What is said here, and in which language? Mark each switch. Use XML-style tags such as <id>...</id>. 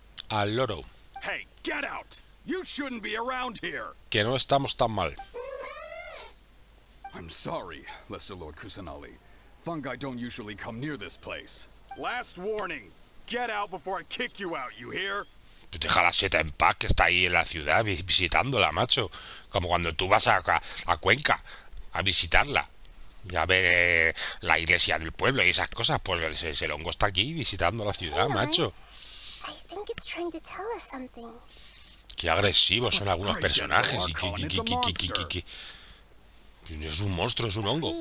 <es>Al loro.</es> <en>Hey, get out! You shouldn't be around here!</en> <es>Que no estamos tan mal.</es> <en>I'm sorry, Lesser Lord Kusanali. Fungi don't usually come near this place. Last warning! Get out before I kick you out, you hear?</en> <es>Deja la seta en paz, que está ahí en la ciudad visitándola, macho. Como cuando tú vas a Cuenca a visitarla y a ver la iglesia del pueblo y esas cosas, pues el hongo está aquí visitando la ciudad, macho.</es> <en>I think it's trying to tell us something.</en> <es>Qué agresivos son algunos</es> <en>Alright, get to</en> <es>personajes</es> <en>work, Colin. It's a monster.</en> <es>y es un monstruo, es un hongo.</es>